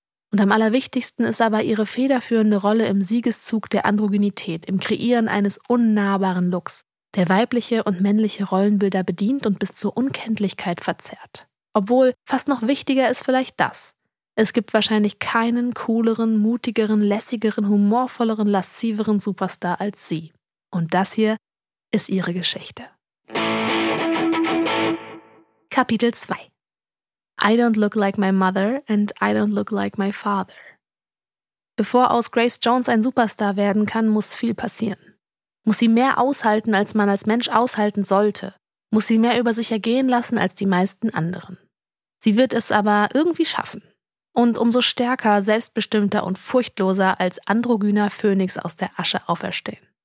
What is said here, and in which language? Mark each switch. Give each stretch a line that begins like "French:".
German: Und am allerwichtigsten ist aber ihre federführende Rolle im Siegeszug der Androgynität, im Kreieren eines unnahbaren Looks, der weibliche und männliche Rollenbilder bedient und bis zur Unkenntlichkeit verzerrt. Obwohl, fast noch wichtiger ist vielleicht das. Es gibt wahrscheinlich keinen cooleren, mutigeren, lässigeren, humorvolleren, lasciveren Superstar als sie. Und das hier ist ihre Geschichte. Kapitel 2.
English: I don't look like my mother and I don't look like my father.
German: Bevor aus Grace Jones ein Superstar werden kann, muss viel passieren. Muss sie mehr aushalten, als man als Mensch aushalten sollte. Muss sie mehr über sich ergehen lassen als die meisten anderen. Sie wird es aber irgendwie schaffen. Und umso stärker, selbstbestimmter und furchtloser als androgyner Phönix aus der Asche auferstehen.